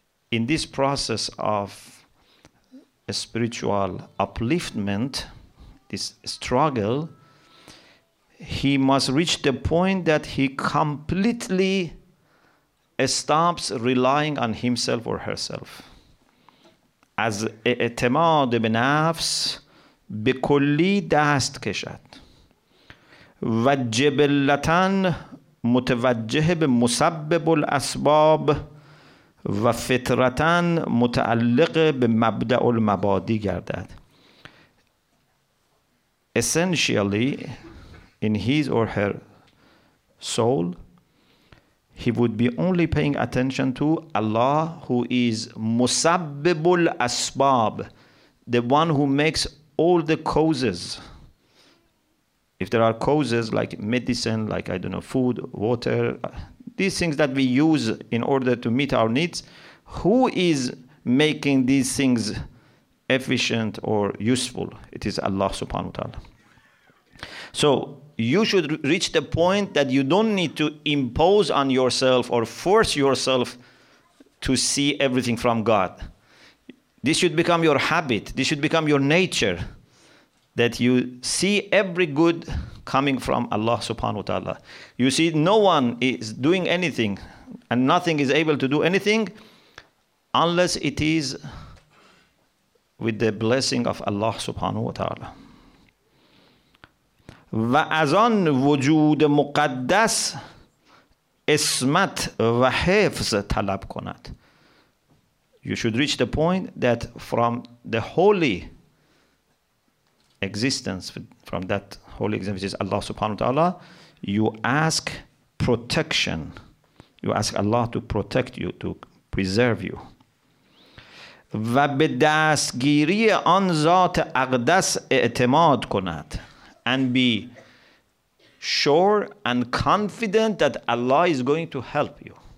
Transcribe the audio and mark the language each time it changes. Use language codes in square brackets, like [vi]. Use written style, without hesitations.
[en] In this process of a spiritual upliftment, this struggle, he must reach the point that he completely stops relying on himself or herself. [fa] As اعتماد به نفس به کلی دست کشد و جبلتن متوجه به مسبب الاسباب و فطرتن متعلق به مبدع المبادی گردد. [en] Essentially, in his or her soul, he would be only paying attention to Allah, who is Musabbibul Asbab, the one who makes all the causes. If there are causes like medicine, like, I don't know, food, water, these things that we use in order to meet our needs, who is making these things efficient or useful? It is Allah subhanahu wa ta'ala. So you should reach the point that you don't need to impose on yourself or force yourself to see everything from God. This should become your habit. This should become your nature, that you see every good coming from Allah subhanahu wa ta'ala. You see, no one is doing anything and nothing is able to do anything unless it is with the blessing of Allah subhanahu wa ta'ala. [fa] و از آن وجود مقدس اسمت و حفظ طلب کند. [en] You should reach the point that from the holy existence, from that holy existence, which is Allah subhanahu wa ta'ala, you ask protection. You ask Allah to protect you, to preserve you. [fa] و به دستگیری آن ذات اقدس اعتماد کند. [en] And be sure and confident that Allah is going to help you.